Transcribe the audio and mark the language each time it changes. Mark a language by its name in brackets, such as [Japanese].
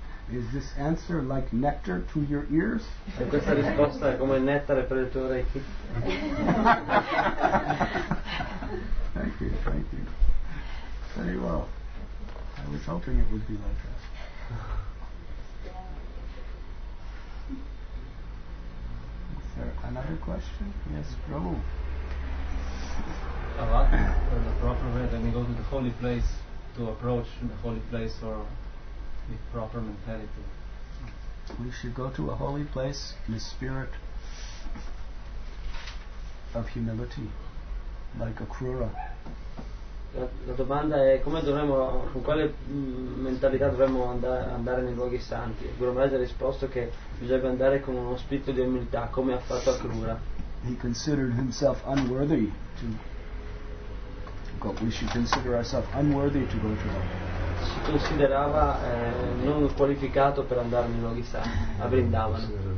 [English] Is this answer like nectar to your ears? [Italian] E questa risposta è come nettare per le tue orecchie. [English] Thank you, thank you. Very well. I was hoping it would be like that. Is there another question? Yes, Prabhu. For the proper way, then we go to the holy place to approach the holy place or with proper mentality. We should go to a holy place in a spirit of humility, like a Krura. [Italian] La domanda è come dovremmo, con quale mentalità dovremmo andare nei luoghi santi. Guru Maharaj ha risposto che bisogna andare con uno spirito di umiltà, come ha fatto Krura. [English] He considered himself unworthy to. We should consider ourselves unworthy to go to. [Italian] Si considerava non qualificato per andare nei luoghi santi, a Vrindavana.